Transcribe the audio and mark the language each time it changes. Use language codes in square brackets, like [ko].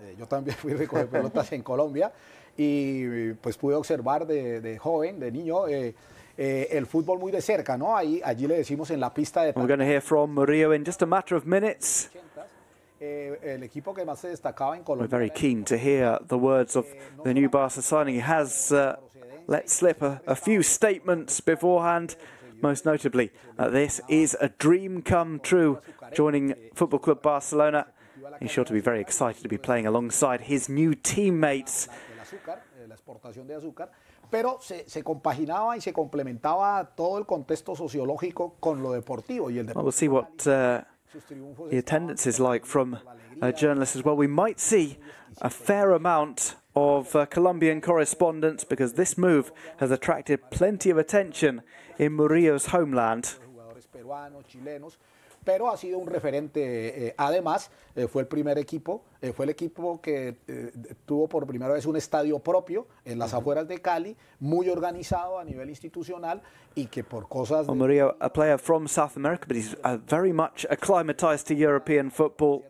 [es] Yo también fui recoger pelotas en Colombia y pues pude observar de joven, de niño, el fútbol muy de cerca, ¿no? Ahí, allí le decimos en la pista de... [en] We're going to hear from Murillo in just a matter of minutes. [es] El equipo que más se destacaba en Colombia... [en] We're very keen to hear the words of the new Barca signing. He has let slip a few statements beforehand. Most notably, this is a dream come true, joining Football Club Barcelona. He's sure to be very excited to be playing alongside his new teammates. [es] El azúcar, la exportación de azúcar, pero se compaginaba y se complementaba todo el contexto sociológico con lo deportivo y el deporte. [en] We'll see what the attendance is like from journalists as well. We might see a fair amount of Colombian correspondents because this move has attracted plenty of attention in Murillo's homeland. [es] Jugadores peruanos, chilenos. Pero ha sido un referente, además, fue el primer equipo, fue el equipo que tuvo por primera vez un estadio propio en las afueras de Cali, muy organizado a nivel institucional y que por cosas... [en] Well, Murillo, a player from South America, but he's very much acclimatized to European football.